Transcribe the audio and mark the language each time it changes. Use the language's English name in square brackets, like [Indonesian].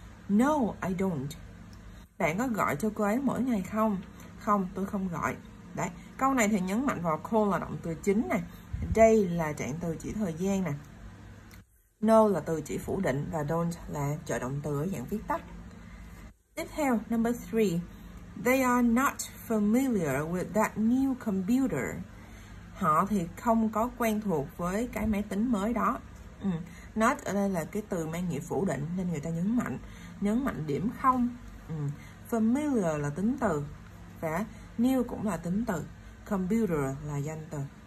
[English] No, I don't. [Vietnamese] Bạn có gọi cho cô ấy mỗi ngày không? Không, tôi không gọi. Đấy, câu này thì nhấn mạnh vào call là động từ chính này. Day là trạng từ chỉ thời gian này. No là từ chỉ phủ định và don't là trợ động từ ở dạng viết tắt. Tiếp theo, [English] number 3. They are not familiar with that new computer. [Vietnamese] Họ thì không có quen thuộc với cái máy tính mới đó. Not ở đây là cái từ mang nghĩa phủ định nên người ta nhấn mạnh điểm không. Familiar là tính từ và new cũng là tính từ, computer là danh từ.